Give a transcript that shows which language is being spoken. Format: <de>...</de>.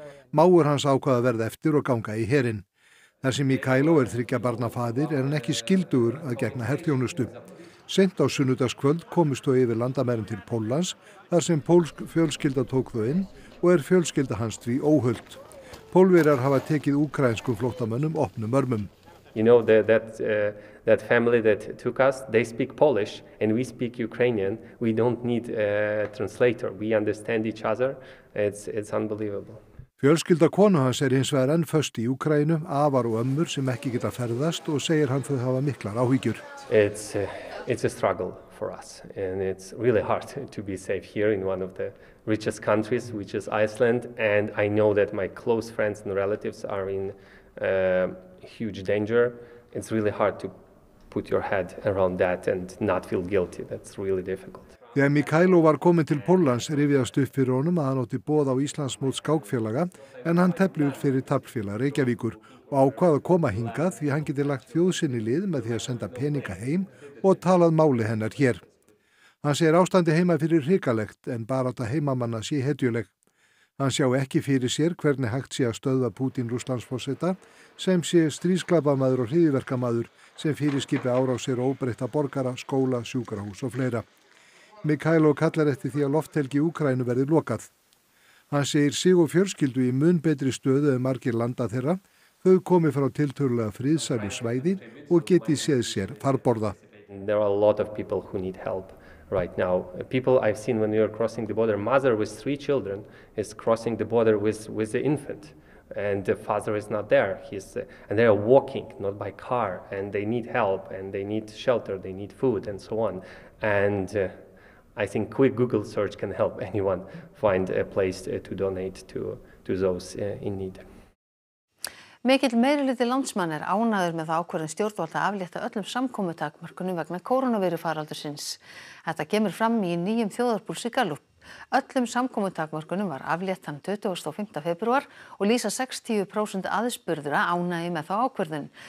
<is>Mágur hans ákvað að verða eftir og ganga í herinn. Þar sem Mikhailo er þriggja barna faðir er hann ekki skildugur að gegna herþjónustu. Seint á sunnudagskvöld komist þau yfir landamærin til Póllands þar sem pólsk fjölskylda tók þau inn og er fjölskylda hans því óhult. Pólverjar hafa tekið úkraínskum flóttamönnum opnum örmum.</is> <en>You know that family that took us, they speak Polish and we speak Ukrainian. We don't need a translator. We understand each other. It's unbelievable.</en> <is>Fjölskylda konu hans er hins vegar enn föst í Úkraínu, afar og ömmur sem ekki geta ferðast og segir hann þau hafa miklar áhyggjur.</is> <en>It's a struggle for us and it's really hard to be safe here in one of the richest countries, which is Iceland, and I know that my close friends and relatives are in huge danger. It's really hard to put your head around that and not feel guilty. That's really difficult.</en> <is>Þegar Mikhailo var kominn til Póllands rifjaðist upp fyrir honum að hann átti boð á Íslandsmót skákfélaga en hann tefli út fyrir taflfélag Reykjavíkur og ákvað að koma hingað því hann geti lagt þjóð sinni lið með því að senda peninga heim og talað máli hennar hér. Hann segir ástandi heima fyrir hrikalegt en barátta heimamanna sé hetjuleg. Hann sjá ekki fyrir sér hvernig hægt sé að stöðva Pútín Rússlandsforseta sem sé stríðsglæpamaður og hryðjuverkamaður sem fyrirskipi árásir og óbreytta borgara, skóla, sjúkrahús og fleira. Mikhailo kallar eftir því að lofthelgi Úkraínu verði lokað. Hann segir sig og fjölskyldu í mun betri stöðu en margir landa þeirra, þau komi frá tiltölulega friðsælu svæði og geti séð sér farborða.</is> <en>There are a lot of people who need help. Right now, people I've seen when you're crossing the border, mother with three children is crossing the border with the infant, and the father is not there. And they are walking, not by car, and they need help, and they need shelter, they need food, and so on. And I think quick Google search can help anyone find a place to donate to those in need.</en> <is>Mikill meirihluti landsmanna er ánægður með þá ákvörðun stjórnvalda að aflétta öllum samkomutakmörkunum vegna koronaveirufaraldursins. Þetta kemur fram í nýjum þjóðarpúlsi Gallup. Öllum samkomutakmörkunum var aflétt þann 25. febrúar og lýsa 60% aðspurðra ánægði með þá ákvörðun.</is>